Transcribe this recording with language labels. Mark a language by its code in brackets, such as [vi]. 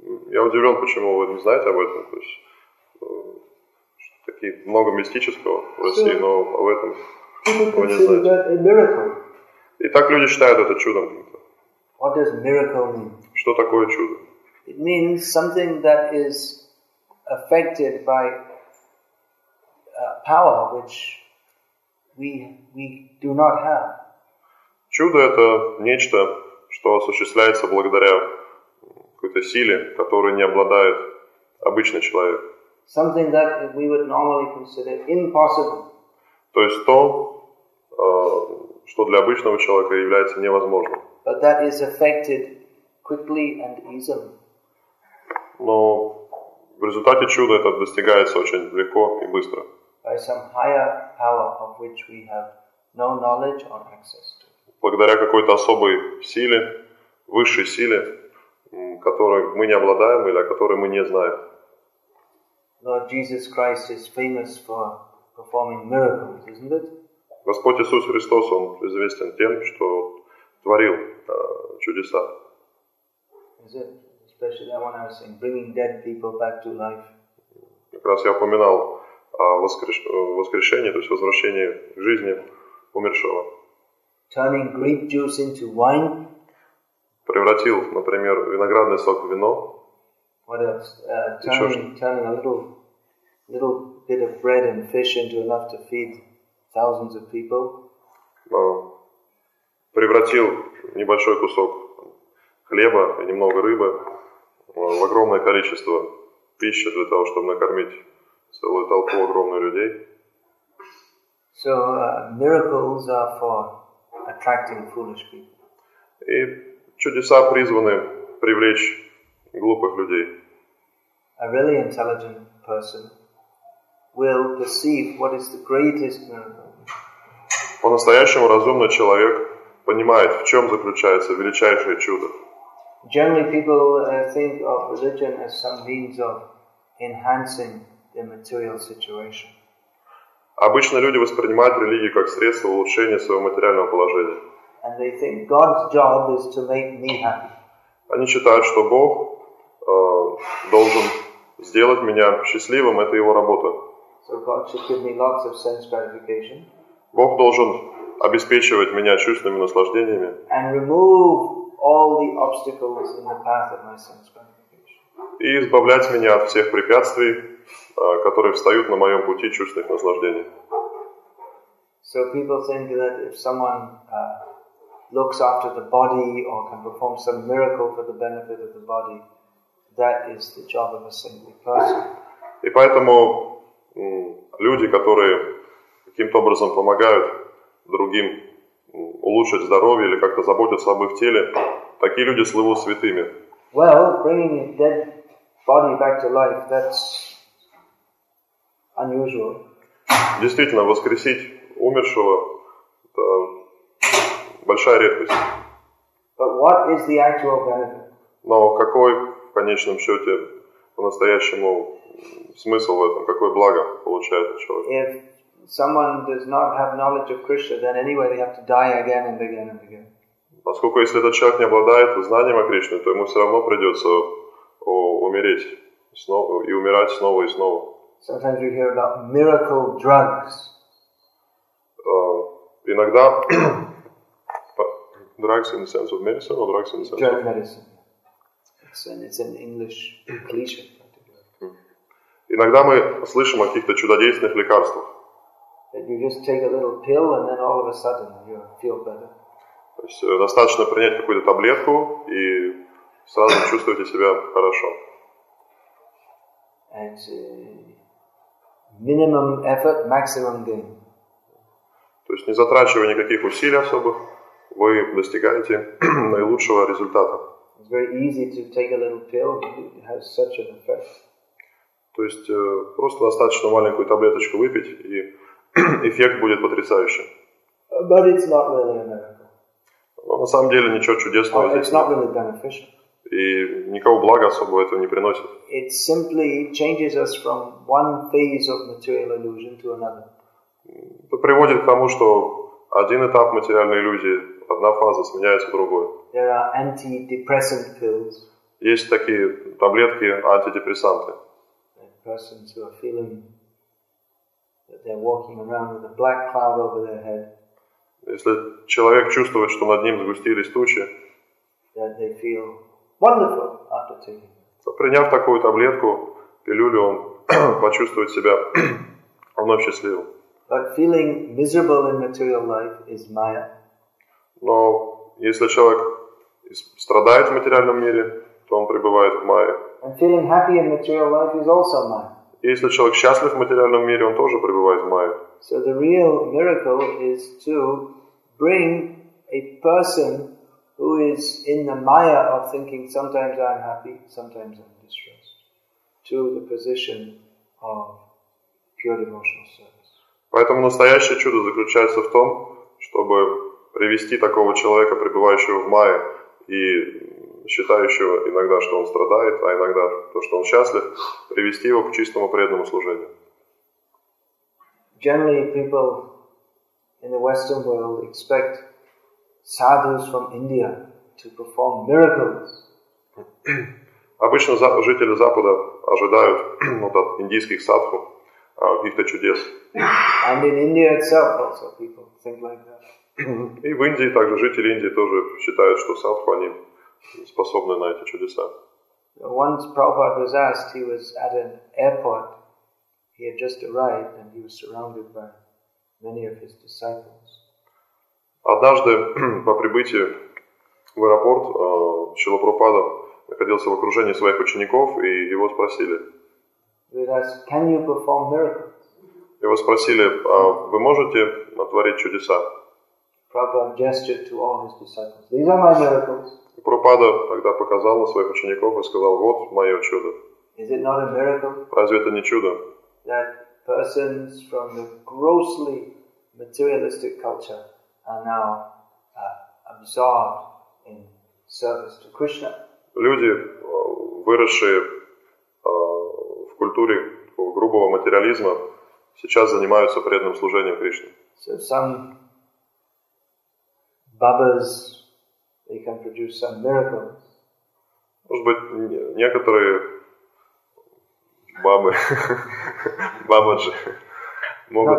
[ru] Я удивлен, почему вы не знаете об этом. То есть, такие много мистического в России, но об этом вы не знаете. И так люди считают это чудом. [en] What does miracle mean? [ru] Что такое чудо? [en] It means something that is affected by power which we do not have. [ru] Чудо — это нечто, что осуществляется благодаря какой-то силе, которой не обладает обычный человек. [en] Something that we would normally consider impossible. [ru] То есть то, что для обычного человека является невозможным. [en] But that is affected quickly and easily. [ru] Но в результате чуда это достигается очень легко и быстро. [en] By some higher power of which we have no knowledge or access to. [ru] Благодаря какой-то особой силе, высшей силе, которой мы не обладаем или о которой мы не знаем. [en] Lord Jesus Christ is famous for performing miracles, isn't it? [ru] Господь Иисус Христос, Он известен тем, что творил чудеса. [en] Is it? Especially that one I was saying, bringing dead people back to life. [ru] Как раз я упоминал о воскрешении, то есть возвращении к жизни умершего. [en] Turning grape juice into wine. [ru] Превратил, например, виноградный сок в вино. [en] What else? Turning a little bit of bread and fish into enough to feed thousands of people. [ru] Превратил небольшой кусок хлеба и немного рыбы в огромное количество пищи для того, чтобы накормить целую толпу огромных людей. [en] So miracles are for attracting foolish people. [ru] И чудеса призваны привлечь глупых людей. [en] A really intelligent person will perceive what is the greatest miracle. [ru] По-настоящему разумный человек понимает, в чем заключается величайшее чудо. [en] Generally, people think of religion as some means of enhancing their material situation. [ru] Обычно люди воспринимают религию как средство улучшения своего материального положения. [en] And they think God's job is to make me happy. [ru] Они считают, что Бог должен сделать меня счастливым, это его работа. [en] So God should give me lots of sense gratification. [ru] Бог должен обеспечивать меня чувственными наслаждениями. [en] And remove all the obstacles in the path of my sense gratification. [ru] И избавлять меня от всех препятствий, которые встают на моем пути чувственных наслаждений. [en] So people think that if someone looks after the body or can perform some miracle for the benefit of the body, that is the job of a saintly person. [ru] И поэтому люди, которые каким-то образом помогают другим улучшить здоровье или как-то заботиться об их теле, такие люди слывут святыми. [en] Well, bringing a dead body back to life, that's unusual. [ru] Действительно, воскресить умершего – это большая редкость. [en] But what is the actual benefit? [ru] Но какой в конечном счете по-настоящему смысл в этом, какое благо получает человек? [en] If someone does not have knowledge of Krishna, then anyway they have to die again and again and again. [ru] Поскольку если этот человек не обладает знанием о Кришне, то ему все равно придется умереть снова и умирать снова и снова. [en] Sometimes you hear about miracle drugs. [ru] Иногда [en] drugs in the sense of medicine or drugs in the sense drug medicine. It's an English cliche. [ru] Иногда мы слышим о каких-то чудодейственных лекарствах. [en] That you just take a little pill and then all of a sudden you feel better. [ru] То есть достаточно принять какую-то таблетку и сразу чувствуете себя хорошо. [en] And minimum effort, maximum gain. [ru] То есть не затрачивая никаких усилий особых, вы достигаете наилучшего результата. [en] It's very easy to take a little pill. It has such an effect. [ru] То есть просто достаточно маленькую таблеточку выпить и эффект будет потрясающим. [en] But it's not really a miracle. [ru] Но на самом деле ничего чудесного здесь нет. [en] It's not really beneficial. [ru] И никакого блага особого этого не приносит. [en] It simply changes us from one phase of material illusion to another. [ru] Это приводит к тому, что один этап материальной иллюзии, одна фаза сменяется другой. [en] There are antidepressant pills. [ru] Есть такие таблетки антидепрессанты. [en] Persons who are feeling that they're walking around with a black cloud over their head. [ru] Если человек чувствует, что над ним сгустились тучи, [en] that they feel wonderful after taking. [ru] То, приняв такую таблетку, пилюлю, он почувствует себя вновь счастливым. [en] But feeling miserable in material life is maya. [ru] Но если человек страдает в материальном мире, то он пребывает в майе. [en] And feeling happy in material life is also maya. [ru] И если человек счастлив в материальном мире, он тоже пребывает в майе. [en] So the real miracle is to bring a person who is in the maya of thinking sometimes I'm happy, sometimes I'm distressed, to the position of pure devotional service. [ru] Поэтому настоящее чудо заключается в том, чтобы привести такого человека, пребывающего в мае и считающего иногда, что он страдает, а иногда то, что он счастлив, привести его к чистому преданному служению. [en] Generally, people in the Western world expect sadhus from India to perform miracles. [ru] Обычно жители Запада ожидают вот от индийских садху каких-то чудес. [en] And in India itself also people think like that. [ru] И в Индии также жители Индии тоже считают, что садху они способны на эти чудеса. [en] Once Prabhupada was asked, he was at an airport. He had just arrived and he was surrounded by many of his disciples. [ru] Однажды по прибытии в аэропорт Шрила Прабхупада находился в окружении своих учеников и его спросили. [en] Can you perform miracles? [ru] Его спросили, вы можете творить чудеса? [en] Prabhupada gestured to all his disciples. These are my miracles. [ru] Прабхупада тогда показал на своих учеников и сказал, вот мое чудо. [en] Is it not a miracle? [ru] Разве это не чудо? [en] That persons from the grossly materialistic culture are now absorbed in service to Krishna. [ru] Люди, выросшие в культуре грубого материализма, сейчас занимаются преданным служением Кришне. [en] So some babas, they can produce some miracles. [ru] Может быть, некоторые бабы, бабаджи, могут